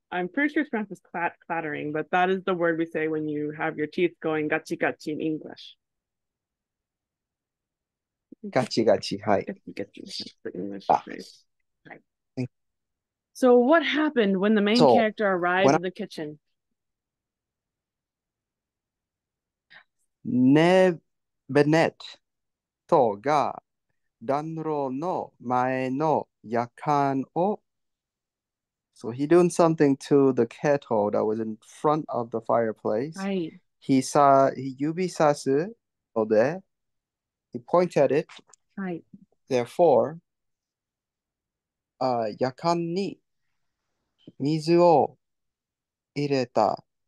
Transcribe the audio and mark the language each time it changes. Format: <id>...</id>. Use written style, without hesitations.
<en>I'm pretty sure it's pronounced as clattering, but that is the word we say when you have your teeth going gachi gachi in English. Gachi gachi, hi. Gachi gachi, that's the English phrase. So what happened when the main character arrived in the kitchen?</en> <ja>ネベネットが暖炉の前のやかんを。</ja> <en>So he doing something to the kettle that was in front of the fireplace. Right. He saw, he</en> <ja>yubi sasu ode,</ja> <en>he pointed at it. Right. Therefore,</en> <ja>やかんに水を入れた。</ja>